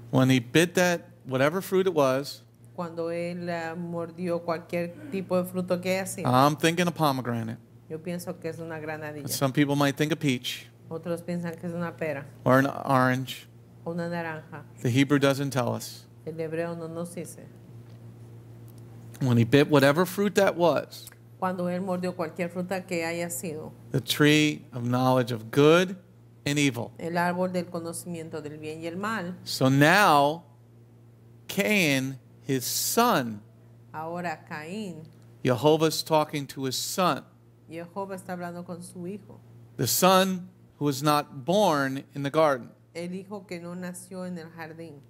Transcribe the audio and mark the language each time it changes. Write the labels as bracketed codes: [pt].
[en] When he bit that, whatever fruit it was. [es] Cuando él mordió cualquier tipo de fruto que hacía. [en] I'm thinking a pomegranate. [es] Yo pienso que es una granadilla. [en] Some people might think a peach. [es] Otros piensan que es una pera. [en] Or an orange. [es] Una naranja. [en] The Hebrew doesn't tell us. [es] El hebreo no nos dice. [en] When he bit whatever fruit that was. [es] Cuando él mordió cualquier fruta que haya sido. [en] The tree of knowledge of good and evil. [es] El árbol del conocimiento del bien y el mal. [en] So now, Cain, his son. [es] Ahora Cain. [en] Yehovah's talking to his son. [es] Yehovah está hablando con su hijo. [en] The son who was not born in the garden. [es] El hijo que no nació en el jardín.